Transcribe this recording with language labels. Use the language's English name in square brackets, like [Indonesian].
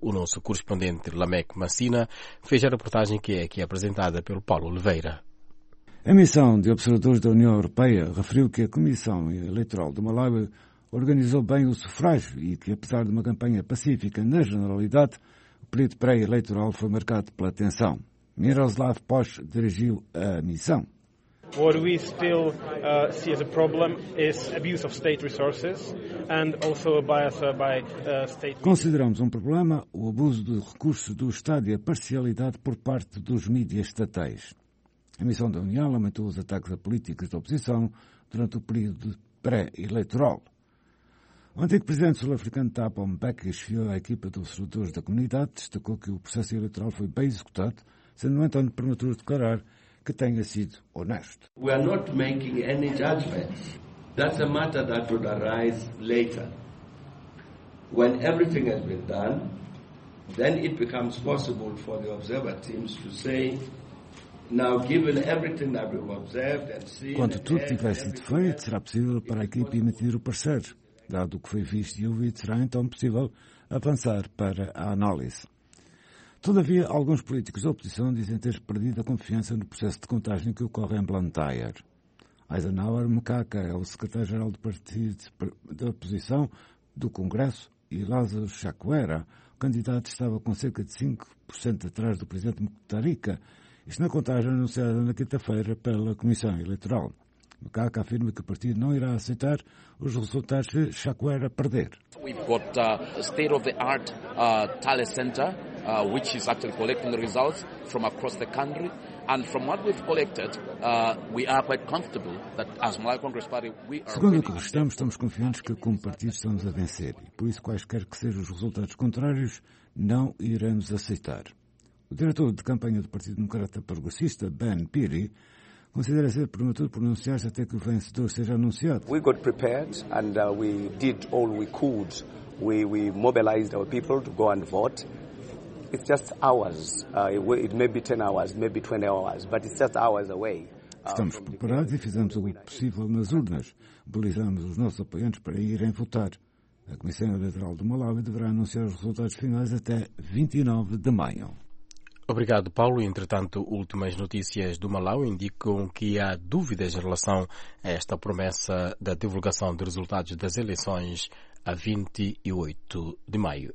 [Portuguese] O nosso correspondente Lameque Massina fez a reportagem que é aqui apresentada pelo Paulo Oliveira. A missão de observadores da União Europeia referiu que a Comissão Eleitoral do Malawi organizou bem o sufrágio e que, apesar de uma campanha pacífica na generalidade, o período pré-eleitoral foi marcado pela tensão. Miroslav Posh dirigiu a missão. [English] What we still see as a problem is abuse of state resources and also a bias by state. [Portuguese] Consideramos um problema o abuso de recursos do Estado e a parcialidade por parte dos mídias estatais. A missão da União lamentou os ataques a políticos de oposição durante o período pré-eleitoral. O antigo presidente sul-africano Thabo Mbeki chefiou a equipa de observadores da comunidade, destacou que o processo eleitoral foi bem executado, sendo, no entanto, prematuro declarar que tenha sido honesto. [English] We are not making any judgments. That's a matter that would arise later. When everything has been done, then it becomes possible for the observer teams to say, now given everything that we've observed and seen. [Portuguese] Quando tudo tiver sido feito, será possível para a equipe emitir o parecer. Dado o que foi visto e ouvido, será então possível avançar para a análise. Todavia, alguns políticos da oposição dizem ter perdido a confiança no processo de contagem que ocorre em Blantyre. Eisenhower Mukaka é o secretário-geral do Partido da Oposição do Congresso e Lázaro Chakwera, o candidato, estava com cerca de 5% atrás do presidente Mutharika, isto na contagem anunciada na quinta-feira pela Comissão Eleitoral. Mukaka afirma que o partido não irá aceitar os resultados de Chakwera perder. [English] We've got a state-of-the-art tally center, which is actually collecting the results from across the country. And from what we've collected, we are quite comfortable that as Malawi Congress Party, we are. [Portuguese] Segundo o que restamos, estamos confiantes que como partido estamos a vencer. E por isso, quaisquer que sejam os resultados contrários, não iremos aceitar. O diretor de campanha do Partido Democrata Progressista, Ben Piri, considera ser prematuro pronunciar-se até que o vencedor seja anunciado. [English] We got prepared and we did all we could. We mobilized our people to go and vote. It's just hours. It may be 10 hours, maybe 20 hours, but it's just hours away. [Portuguese] Estamos preparados e fizemos o possível nas urnas. Mobilizamos os nossos apoiantes para irem votar. A Comissão Eleitoral do Malawi deverá anunciar os resultados finais até 29 de maio. Obrigado, Paulo. Entretanto, últimas notícias do Malawi indicam que há dúvidas em relação a esta promessa da divulgação de resultados das eleições a 28 de maio.